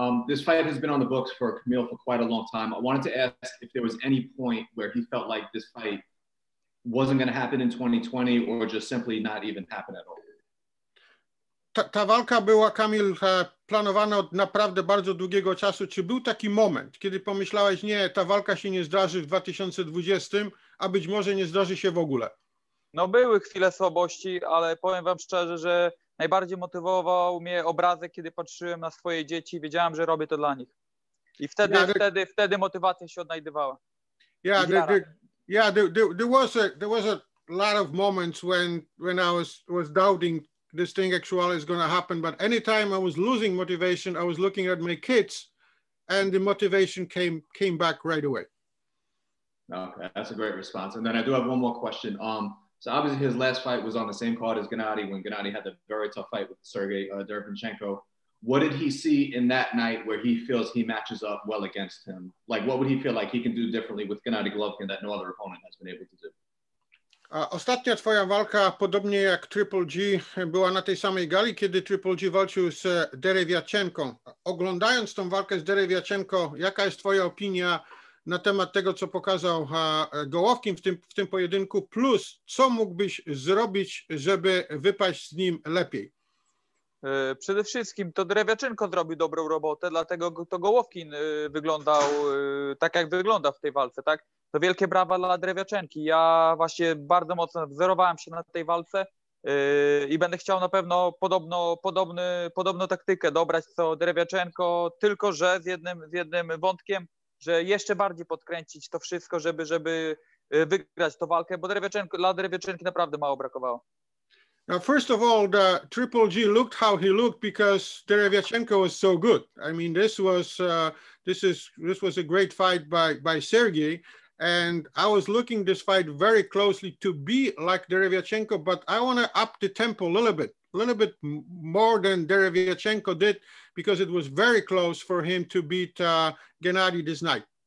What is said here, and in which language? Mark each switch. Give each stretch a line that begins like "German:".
English: This fight has been on the books for Kamil for quite a long time. I wanted to ask if there was any point where he felt like this fight wasn't going to happen in 2020 or just simply not even happen at all.
Polish: Ta walka była, Kamil, planowana od naprawdę bardzo długiego czasu. Czy był taki moment, kiedy pomyślałeś, nie, ta walka się nie zdarzy w 2020, a być może nie zdarzy się w ogóle? No były chwile słabości, ale powiem wam szczerze, że najbardziej motywował mnie obrazek, kiedy patrzyłem na swoje dzieci i wiedziałem, że robię to dla nich. I wtedy, wtedy motywacja się odnajdywała.
English: Yeah, there was a lot of moments when I was doubting this thing actually is going to happen, but anytime I was losing motivation, I was looking at my kids and the motivation came back right away. Okay, that's a great response. And then I do have one more question. So obviously his last fight was on the same card as Gennady when Gennady had the very tough fight with Sergey Dervinchenko. What did he see in that night where he feels he matches up well against him? Like, what would he feel like he can do differently with Gennady Golovkin that no other opponent has been able to do?
Polish: Ostatnia twoja walka, podobnie jak Triple G, była na tej samej gali, kiedy Triple G walczył z Derevyanchenko. Oglądając tą walkę z Derevyanchenko, jaka jest twoja opinia na temat tego, co pokazał Golovkin w tym pojedynku, plus co mógłbyś zrobić, żeby wypaść z nim lepiej? Przede wszystkim to Drewiaczynko zrobił dobrą robotę, dlatego to Golovkin wyglądał tak, jak wygląda w tej walce, tak? To wielkie brawa dla Drewiaczynki. Ja właśnie bardzo mocno wzorowałem się na tej walce i będę chciał na pewno podobną taktykę dobrać co Drewiaczynko, tylko że z jednym wątkiem, że jeszcze bardziej podkręcić to wszystko, żeby wygrać tą walkę, bo dla Drewiaczynki naprawdę mało brakowało.
English: Now, first of all, the Triple G looked how he looked because Derevyanchenko was so good. I mean, this was a great fight by Sergey, and I was looking this fight very closely to be like Derevyanchenko, but I want to up the tempo a little bit more than Derevyanchenko did, because it was very close for him to beat Gennadiy this night.